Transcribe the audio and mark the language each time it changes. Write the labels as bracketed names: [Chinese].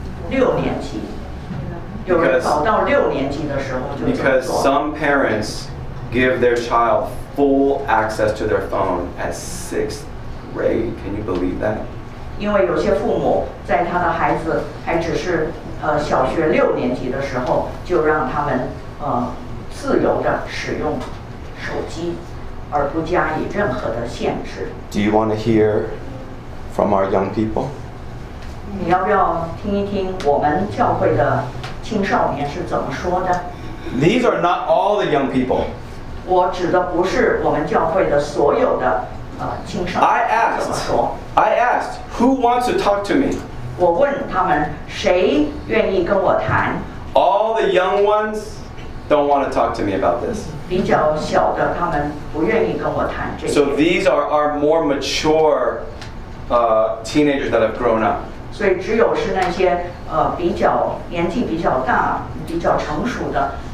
[Chinese] 六年级，有人跑到六年级的时候就这么做。 [English] Because some parents give their child full access to their phone at sixth grade. Can you believe that? [Chinese] 因为有些父母在他的孩子还只是小学六年级的时候，就让他们自由的使用手机。而不加以任何的限制。 [English] Do you want to hear from our young people? [Chinese] 你要不要听一听我们教会的青少年是怎么说的？ [English] These are not all the young people. [Chinese] 我指的不是我们教会的所有的青少年。 [English] I asked, who wants to talk to me? [Chinese] 我问他们谁愿意跟我谈。 [English] All the young ones? Don't want to talk to me about this. [Chinese] 比较小的，他们不愿意跟我谈这些。 [English] So these are our more mature, teenagers that have grown up. [Chinese] 所以只有是那些比较年纪比较大、比较成熟的。